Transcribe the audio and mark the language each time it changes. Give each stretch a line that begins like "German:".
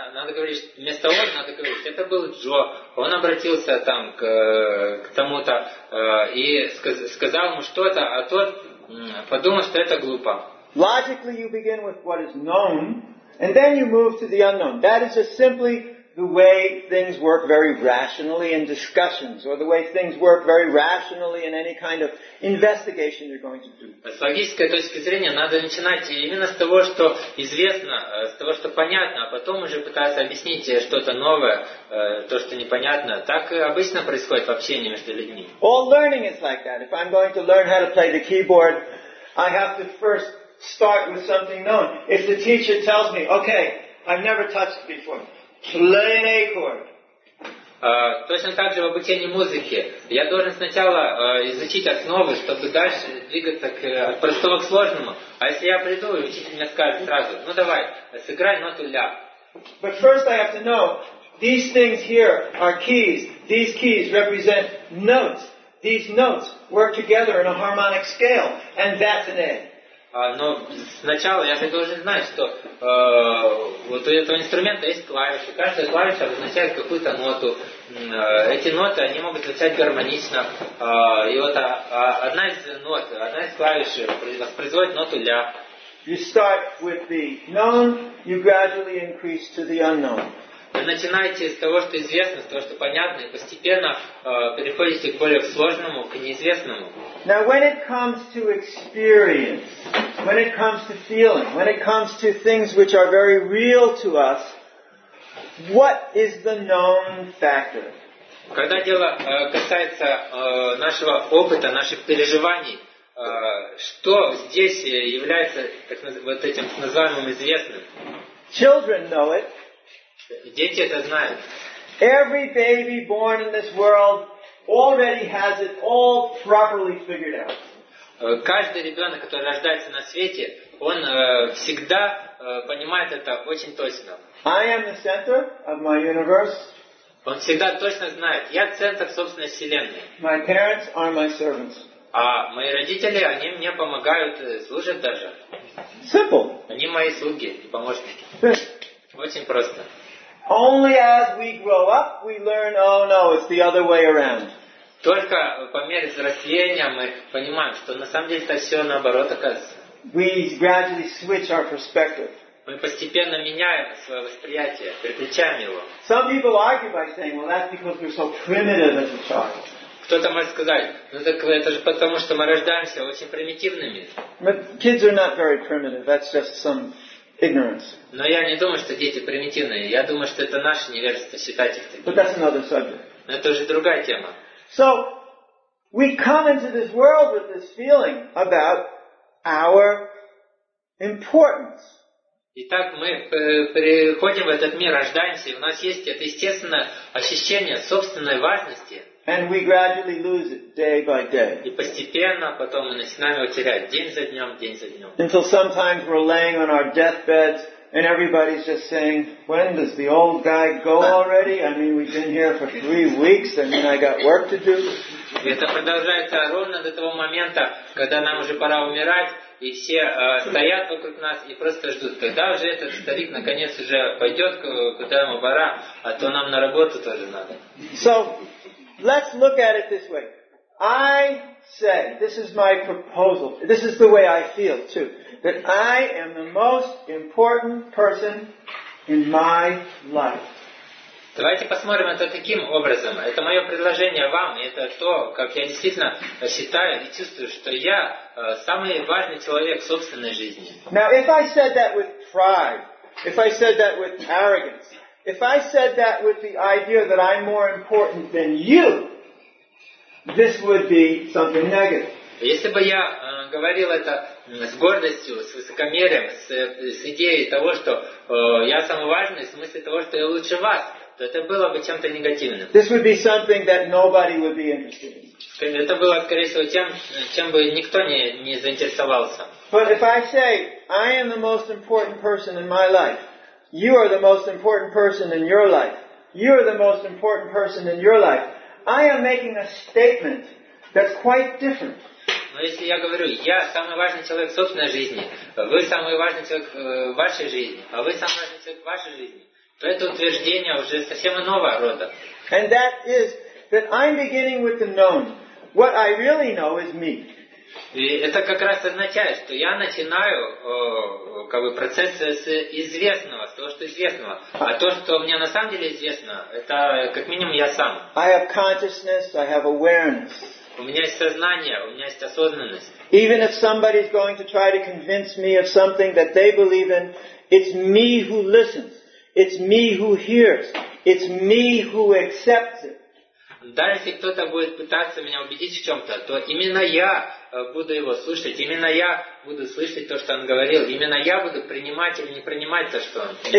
Russian: Надо говорить, вместо он, надо говорить, это был Джо. Он обратился там к тому-то и сказал ему что-то, а тот подумал, что это глупо.
English: Logically you begin with what is known, and then you move to the unknown. That is just simply the way things work very rationally in discussions, or the way things work very rationally in any kind of investigation you're going to do.
Russian: С логической точки зрения надо начинать именно с того, что известно, с того, что понятно, а потом уже пытаться объяснить что-то новое, то, что непонятно. Так обычно происходит в общении между людьми.
English: All learning is like that. If I'm going to learn how to play the keyboard, I have to first start with something known. If the teacher tells me, okay, I've never touched it before, play an A chord.
Russian: Точно так же в обучении музыки. Я должен сначала изучить основы, чтобы дальше двигаться от простого к сложному. А если я приду, и учитель мне скажет сразу, ну давай, сыграй ноту ля.
English: But first I have to know, these things here are keys. These keys represent notes. These notes work together in a harmonic scale. And that's an A.
Russian: Но сначала я должен знать, что вот у этого инструмента есть клавиши. Каждая клавиша обозначает какую-то ноту. Эти ноты, они могут звучать гармонично. И вот одна из нот, одна из клавиш воспроизводит ноту ля.
English: You start with the known, you gradually increase to the unknown.
Russian: Вы начинаете с того, что известно, с того, что понятно, и постепенно переходите к более сложному, к неизвестному.
English: Now when it comes to experience, when it comes to feeling, when it comes to things which are very real to us, what is the known factor?
Russian: Когда дело касается нашего опыта, наших переживаний, что здесь является так, вот этим называемым известным?
English: Children know it.
Russian: Дети это знают.
English: Every baby born in this world already has it all properly figured out.
Russian: Каждый ребенок, который рождается на свете, он всегда понимает это очень точно.
English: I am the center of my universe.
Russian: Он всегда точно знает. Я центр собственной вселенной.
English: My parents are my servants.
Russian: А мои родители, они мне помогают, служат даже.
English: Simple.
Russian: Они мои слуги и помощники. Очень просто.
English: Only as we grow up, we learn, oh no, it's the other way around.
Russian: Только по мере взросления мы понимаем, что на самом деле это все наоборот оказывается.
English: We gradually switch our perspective.
Russian: Мы постепенно меняем свое восприятие, переключаем его.
English: Some people argue by saying, well, that's because we're so primitive as a child.
Russian: Кто-то может сказать, ну так это же потому, что мы рождаемся очень примитивными.
English: But kids are not very primitive, that's just some... Ignorance.
Russian: Но я не думаю, что дети примитивные. Я думаю, что это наше невежество считать их такими.
English: But that's another subject.
Russian: Но это уже другая тема.
English: So we come into this world with this feeling about our importance.
Russian: Итак, мы приходим в этот мир, рождаемся, и у нас есть это естественное ощущение собственной важности.
English: And we gradually lose it day by day.
Russian: И постепенно потом мы начинаем его терять день за днем, день за днем.
English: Until sometimes we're laying on our deathbeds and everybody's just saying, when does the old guy go already? I mean, we've been here for 3 weeks and then I got work to do.
Russian: И это продолжается ровно до того момента, когда нам уже пора умирать, и все стоят вокруг нас и просто ждут, когда уже этот старик наконец уже пойдет, куда ему пора, а то нам на работу тоже надо.
English: So, let's look at it this way. I say, this is my proposal, this is the way I feel too, that I am the most important person in my life.
Russian: Давайте посмотрим это таким образом. Это мое предложение вам, и это то, как я действительно считаю и чувствую, что я самый важный человек в собственной жизни.
English: Now, if I said that with pride, If I said that with arrogance, if I said that with the idea that I'm more important than you, this would be something negative.
Russian: Если бы я говорил это с гордостью, с высокомерием, с идеей того, что я самый важный, в смысле того, что я лучше вас, то это было бы чем-то негативным.
English: This would be something that nobody would be interested in.
Russian: Это было, скорее всего, тем, чем бы никто не заинтересовался.
English: But if I say, I am the most important person in my life, you are the most important person in your life, you are the most important person in your life, I am making a statement that's quite different.
Russian: Но если я говорю, я самый важный человек в собственной жизни, вы самый важный человек в вашей жизни, а вы самый важный человек в вашей жизни, то это утверждение уже совсем иного рода.
English: And that is that I'm beginning with the known. What I really know is me.
Russian: И это как раз означает, что я начинаю как бы процесс с известного, с того, что известного. А то, что мне на самом деле известно, это как минимум я сам.
English: I have consciousness, I have awareness.
Russian: У меня есть сознание, у меня есть осознанность.
English: Even if somebody is going to try to convince me of something that they believe in, it's me who listens, it's me who hears, it's me who accepts it.
Russian: Даже если кто-то будет пытаться меня убедить в чем-то, то именно я буду его слушать, именно я буду слышать то, что он говорил, именно я буду принимать или не принимать то, что он принял.